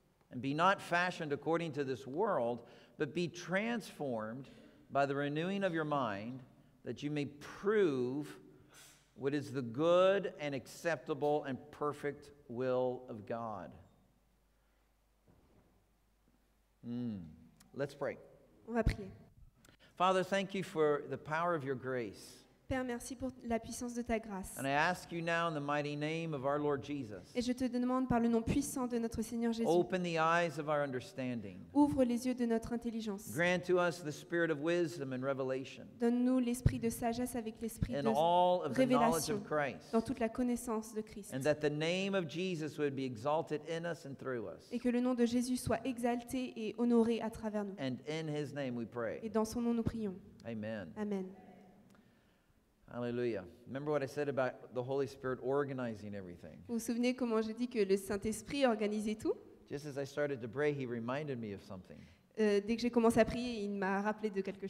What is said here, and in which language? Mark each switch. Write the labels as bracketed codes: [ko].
[en] And be not fashioned according to this world, but be transformed by the renewing of your mind, that you may prove what is the good and acceptable and perfect will of God. Let's pray. [fr] On va prier. [en] Father, thank you for the power of your grace. [fr] Père, merci pour la puissance de ta grâce. [en] And I ask you now in the mighty name of our Lord Jesus. [fr] Et je te demande par le nom puissant de notre Seigneur Jésus. [en] Open the eyes of our understanding. [fr] Ouvre les yeux de notre intelligence. [en] Grant to us the spirit of wisdom and revelation. [fr] Donne-nous l'esprit de sagesse avec l'esprit de révélation. [en] And all of the knowledge of Christ. [fr] Dans toute la connaissance de Christ. [en] And that the name of Jesus would be exalted in us and through us. [fr] Et que le nom de Jésus soit exalté et honoré à travers nous. [en] And in his name we pray. [fr] Et dans son nom nous prions. Amen. Amen. Hallelujah. [en] Remember what I said about the Holy Spirit organizing everything. [fr] Vous vous souvenez comment j'ai dit que le Saint-Esprit organisait tout? [en] Just as I started to pray, he reminded me of something. [fr] Dès que j'ai commencé à prier, il m'a rappelé de quelque chose.